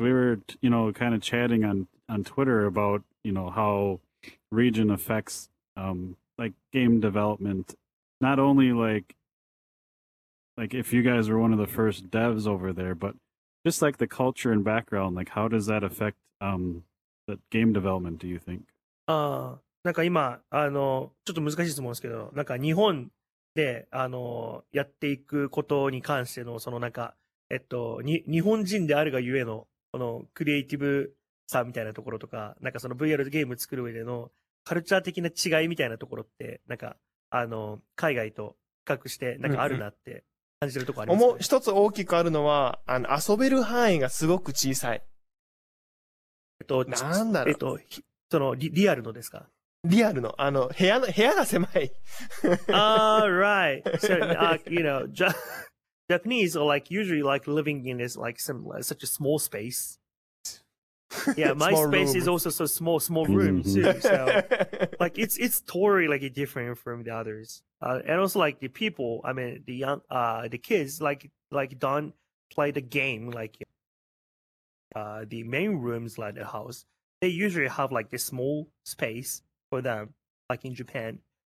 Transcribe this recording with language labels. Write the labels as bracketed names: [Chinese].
[English] We were, you know, kind of chatting on Twitter about, you know, how region affects like game development, not only like if you guys were one of the first devs over there, but just like the culture and background, like how does that affect the game development, do you think? [Japanese] なんか今あのちょっと難しい質問ですけど、なんか日本であのやっていくことに関してのそのなんか日本人であるがゆえのこのクリエイティブさみたいなところとか、なんかその VR ゲーム作る上でのカルチャー的な違いみたいなところって、なんかあの海外と比較してなんかあるなって。感じるとこありますね、一つ大きくあるのはあの遊べる範囲がすごく小さい。なんだろう。そのリアルのですか。リアルの、あの、部屋の、部屋が狭い。 [English] Alright. So, you know, Japanese are like, usually like living in this, like, similar, such a small space. Yeah, my space is also so small, small room too. So, like, it's totally like different from the others. And also like the people, I mean, the young, the kids, like don't play the game, like, the main rooms, like the house, they usually have like this small space for them, like in Japan.